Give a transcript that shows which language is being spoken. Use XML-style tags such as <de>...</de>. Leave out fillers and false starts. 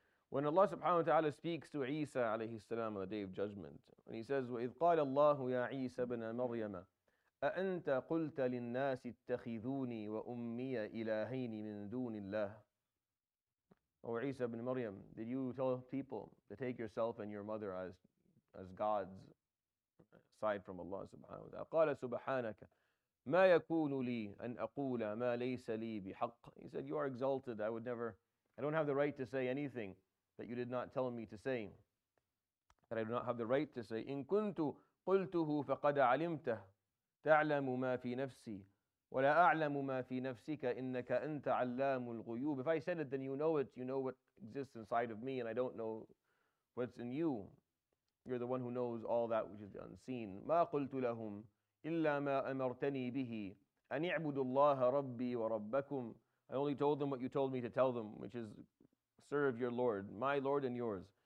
<en>When Allah subhanahu wa ta'ala speaks to Isa alayhi salam on the Day of Judgment, when he says,</en> <ar>وَإِذْ قَالَ اللَّهُ يَا عِيسَى بْنَ مَرْيَمَ أَأَنْتَ قُلْتَ لِلنَّاسِ اتَّخِذُونِي وَأُمِّيَ إِلَهَيْنِ مِن دُونِ اللَّهِ</ar> <en>O Isa ibn Maryam, did you tell people to take yourself and your mother as gods aside from Allah subhanahu wa ta'ala?</en> <ar>قَالَ سُبْحَانَكَ مَا يَكُونُ لِي أَنْ أَقُولَ مَا لَيْسَ لِي بِحَقٍّ</ar> <en>He said, you are exalted. I don't have the right to say anything that you did not tell me to say. That I do not have the right to say.</en> <ar>إِن كُنْتُ قُلْتُهُ فَقَدْ عَلِمْتَهُ تَعْلَمُ مَا فِي نَفْسِي وَلَا أَعْلَمُ مَا فِي نَفْسِكَ إِنَّكَ أَنْتَ عَلَّامُ الْغُيُوبِ</ar> <en>If I said it, then you know it. You know what exists inside of me, and I don't know what's in you. You're the one who knows all that which is unseen.</en> <ar>مَا قُلْتُ لَهُمْ إِلَّا مَا أَمَرْتَنِي بِهِ أَنْ اِعْبُدُ اللَّهَ رَبِّي وَرَبَّكُمْ</ar> <en>I only told them what you told me to tell them, which is serve your Lord, my Lord and yours.</en>